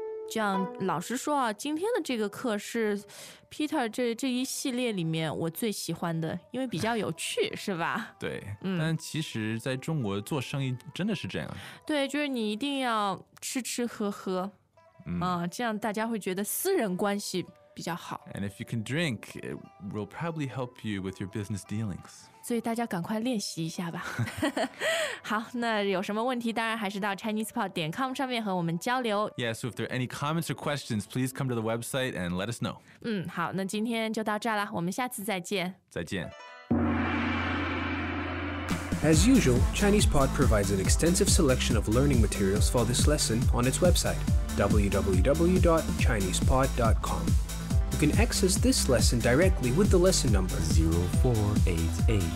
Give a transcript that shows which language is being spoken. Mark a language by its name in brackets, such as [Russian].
[Chinese] 这样老实说啊，今天的这个课是 Peter 这一系列里面我最喜欢的，因为比较有趣是吧？对、嗯、但其实在中国做生意真的是这样。对，就是你一定要吃吃喝喝、嗯啊、这样大家会觉得私人关系比较好。 [English] And if you can drink it will probably help you with your business dealings， [Chinese] 所以大家赶快练习一下吧。好，那有什么问题当然还是到 ChinesePod.com 上面和我们交流。 [English] Yeah, so if there are any comments or questions, please come to the website and let us know. [Chinese] 嗯，好，那今天就到这了，我们下次再见。再见。 [English] As usual, ChinesePod provides an extensive selection of learning materials for this lesson on its website, www.chinesepod.com. You can access this lesson directly with the lesson number 0488.